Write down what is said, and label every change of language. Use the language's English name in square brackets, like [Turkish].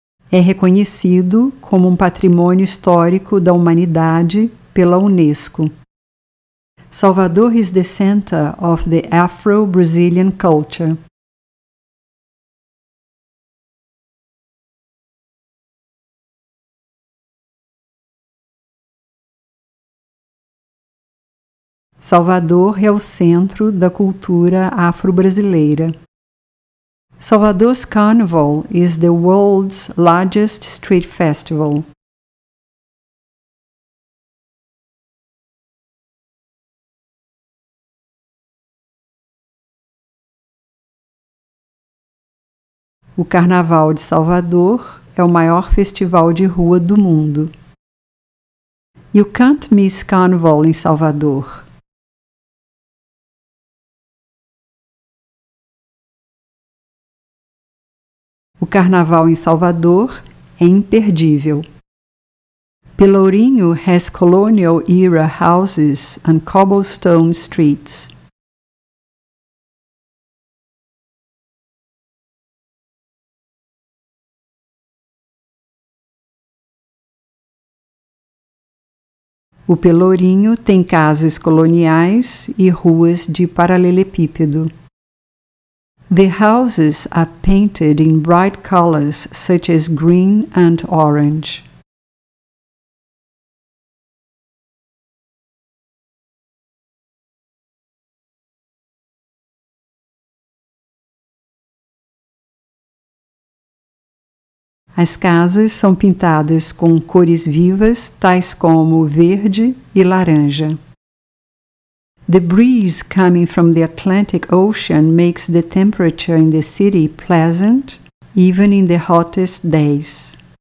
[Portuguese] é reconhecido como um patrimônio histórico da humanidade pela UNESCO. [English] Salvador is the center of the Afro-Brazilian culture. [Portuguese] Salvador é o centro da cultura afro-brasileira. [English] Salvador's Carnival is the world's largest street festival. [Portuguese] O Carnaval de Salvador é o maior festival de rua do mundo. [English] You can't miss Carnival in Salvador. [Portuguese] O Carnaval em Salvador é imperdível. [English] Pelourinho has colonial era houses and cobblestone streets. [Portuguese] O Pelourinho tem casas coloniais e ruas de paralelepípedo. [English] The houses are painted in bright colors such as green and orange. [Portuguese] As casas são pintadas com cores vivas, tais como verde e laranja. [English] The breeze coming from the Atlantic Ocean makes the temperature in the city pleasant, even in the hottest days.